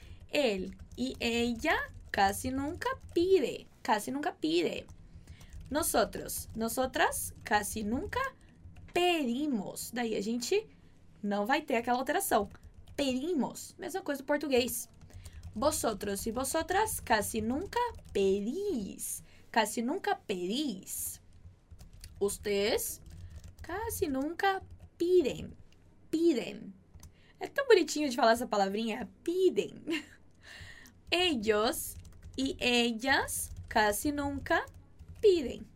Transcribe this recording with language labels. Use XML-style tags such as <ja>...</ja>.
<es>Él y ella casi nunca pide. Casi nunca pide. Nosotros. Nosotras casi nunca pedimos.</es> <pt>Daí a gente não vai ter aquela alteração.</pt> <es>Pedimos.</es> <pt>Mesma coisa do português.</pt> <es>Vosotros e vosotras casi nunca pedís. Casi nunca pedís. Ustedes casi nunca piden. Piden.</es> <pt>É tão bonitinho de falar essa palavrinha.</pt> <es>Piden. Ellos e ellas casi nunca piden.</es>